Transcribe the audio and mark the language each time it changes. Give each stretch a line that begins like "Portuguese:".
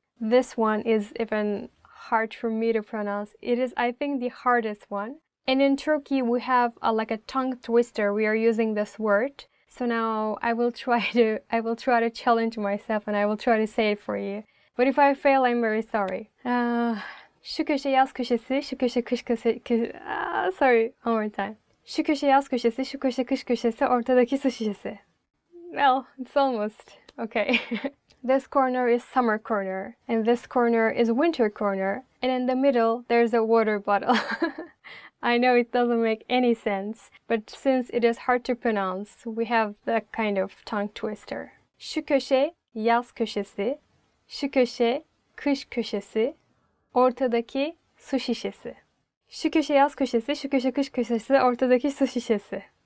English: This one is even hard for me to pronounce. It is, I think, the hardest one. And in Turkey, we have a tongue twister. We are using this word. So now I will try to challenge myself and I will try to say it for you. But if I fail, I'm very sorry.
Turkish: Şu köşe yaz köşesi, şu köşe kış köşesi.
English: Sorry, one more time.
Turkish: Şu köşe yaz köşesi, şu köşe kış köşesi, ortadaki su şişesi.
English: Well, it's almost okay. This corner is summer corner, and this corner is winter corner, and in the middle there's a water bottle. I know it doesn't make any sense, but since it is hard to pronounce, we have that kind of tongue twister.
Turkish: Şu köşe yaz köşesi, şu köşe kış köşesi. Ortadaki su şişesi. Şu köşe yaz köşesi, şu köşe kış köşesi, ortadaki su şişesi.